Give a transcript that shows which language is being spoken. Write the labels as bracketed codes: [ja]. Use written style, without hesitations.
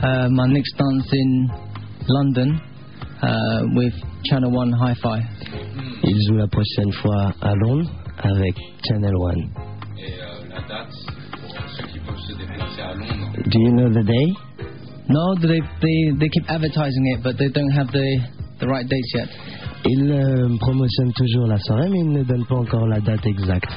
[en] My next dance in London with Channel 1 Hi-Fi. [fr] Il joue la prochaine fois à Londres avec Channel 1. Et la date, pour ceux qui peuvent se déplacer à Londres? [en] Do you know the day? No, they keep advertising it, but they don't have the right dates yet. [fr] Il promotionne toujours la soirée, mais il ne donne pas encore la date exacte.